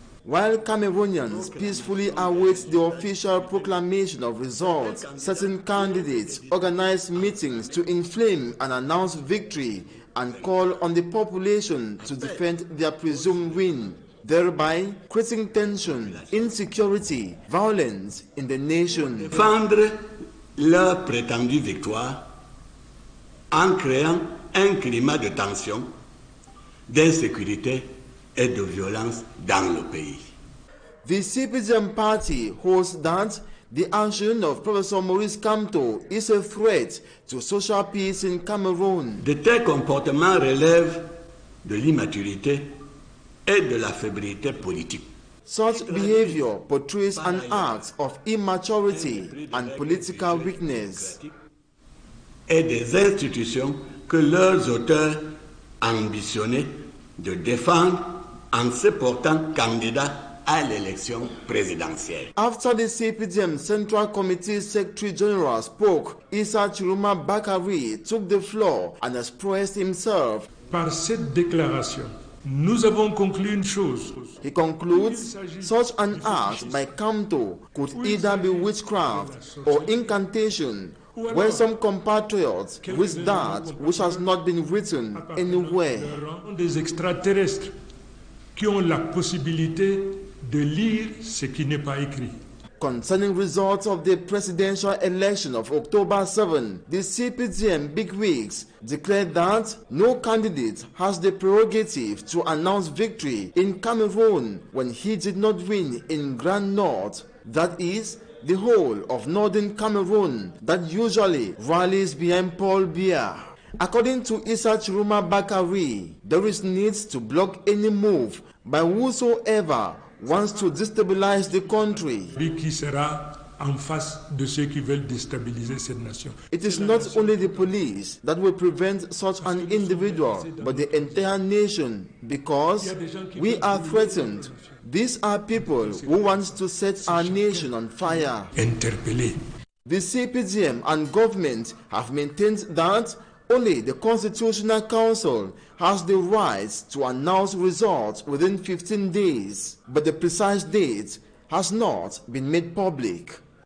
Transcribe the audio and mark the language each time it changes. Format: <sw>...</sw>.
<en>While Cameroonians peacefully await the official proclamation of results, certain candidates organized meetings to inflame and announce victory and call on the population to defend their presumed win, thereby creating tension, insecurity, violence in the nation.</en> <fr>Défendre leur prétendue victoire en créant un climat de tension, d'insécurité et de violence dans le pays.</fr> <en>The CPDM party holds that the action of Professor Maurice Kamto is a threat to social peace in Cameroon.</en> <fr>De tels comportements relèvent de l'immaturité et de la faiblesse politique.</fr> <en>Such behavior portrays an act of immaturity and political weakness.</en> <fr>Et des institutions que leurs auteurs ambitionnaient de défendre en se portant candidat à l'élection présidentielle.</fr> <en>After the CPDM Central Committee Secretary General spoke, Issa Chiruma Bakari took the floor and expressed himself.</en> <fr>Par cette déclaration, nous avons conclu une chose.</fr> <en>He concludes, such an act by Kamto could either be witchcraft or incantation, where some compatriots with that which has not been written anywhere.</en> <fr>Des extraterrestres qui ont la possibilité de lire ce qui n'est pas écrit.</fr> <en>Concerning results of the presidential election of October 7, the CPDM bigwigs declared that no candidate has the prerogative to announce victory in Cameroon when he did not win in Grand North, that is, the whole of Northern Cameroon that usually rallies behind Paul Biya. According to Issa Chiruma Bakari, there is need to block any move by whosoever wants to destabilize the country.</en> <fr>Qui sera en face de ceux qui veulent déstabiliser cette nation.</fr> <en>It is not only the police that will prevent such an individual, but the entire nation, because we are threatened. These are people who want to set our nation on fire.</en> <fr>Interpellé.</fr> <en>The CPGM and government have maintained that only the Constitutional Council has the right to announce results within 15 days, but the precise date has not been made public.</en>